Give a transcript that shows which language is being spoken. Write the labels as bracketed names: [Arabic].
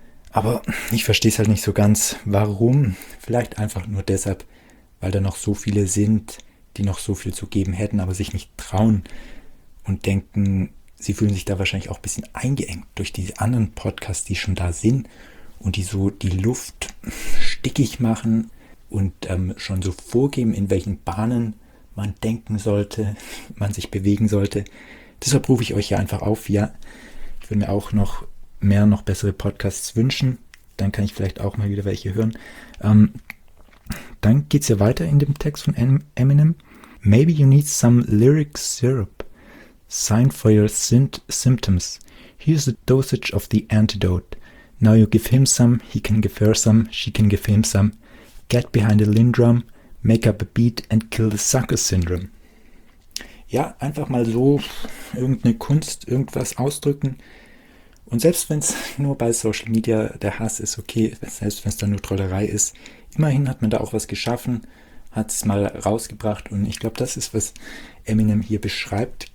[German] Aber ich verstehe es halt nicht so ganz, warum. Vielleicht einfach nur deshalb, weil da noch so viele sind, die noch so viel zu geben hätten, aber sich nicht trauen und denken, sie fühlen sich da wahrscheinlich auch ein bisschen eingeengt durch die anderen Podcasts, die schon da sind und die so die Luft stickig machen und schon so vorgeben, in welchen Bahnen man denken sollte, man sich bewegen sollte. Deshalb rufe ich euch hier einfach auf. Ja, ich würde mir auch noch mehr, noch bessere Podcasts wünschen. Dann kann ich vielleicht auch mal wieder welche hören. Dann geht's ja weiter in dem Text von Eminem. [English] Maybe you need some lyric syrup. Sign for your symptoms. Here's the dosage of the antidote. Now you give him some, he can give her some, she can give him some. Get behind a Lindrum, make up a beat and kill the sucker syndrome. [German] Ja, einfach mal so irgendeine Kunst, irgendwas ausdrücken. Und selbst wenn es nur bei Social Media der Hass ist, okay, selbst wenn es da nur Trollerei ist, immerhin hat man da auch was geschaffen, hat es mal rausgebracht und ich glaube, das ist, was Eminem hier beschreibt.